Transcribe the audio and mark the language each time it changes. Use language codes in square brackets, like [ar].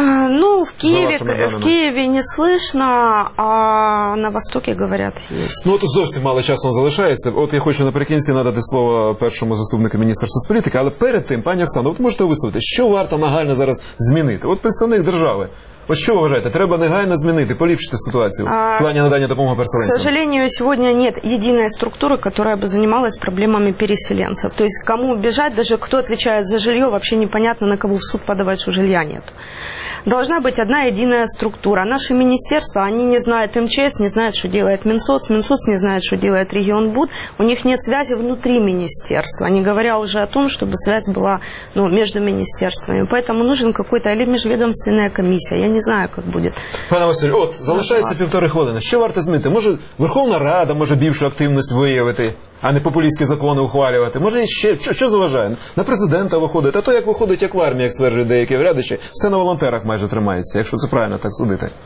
[uk] Ну, в Києві не [ru] слышно, [uk] а на Востокі, говорять, є. Ну, от зовсім мало часу залишається. От я хочу наприкінці надати слово першому заступнику міністра соцполітики, але перед тим, пані Оксано, от можете висловити, що варто нагально зараз змінити? От представник держави, от що ви вважаєте, треба негайно змінити, поліпшити ситуацію в плані надання допомоги переселенцям? [ru] К сожалению, [uk] сьогодні [ru] нет [uk] єдиної [ru] структури, которая бы занималась проблемами переселенцев. То есть, кому бежать, даже кто отвечает за жилье, вообще непонятно, на кого в суд подавать, что жилья нет. Должна быть одна единая структура. Наши министерства, они не знают МЧС, не знают, что делает Минсоц, Минсоц не знает, что делает регион БУД. У них нет связи внутри министерства, не говоря уже о том, чтобы связь была, ну, между министерствами. Поэтому нужен какой-то или межведомственная комиссия, я не знаю, как будет. [uk] Пане Василь, от, залишається півтори хвилини. Що варто змінити? Може, Верховна Рада може більшу активність виявити? А не популістські закони ухвалювати. Може, ще що заважає? На президента виходить, а то як виходить, як в армії, як стверджують деякі врядачі, все на волонтерах майже тримається, якщо це правильно так судити.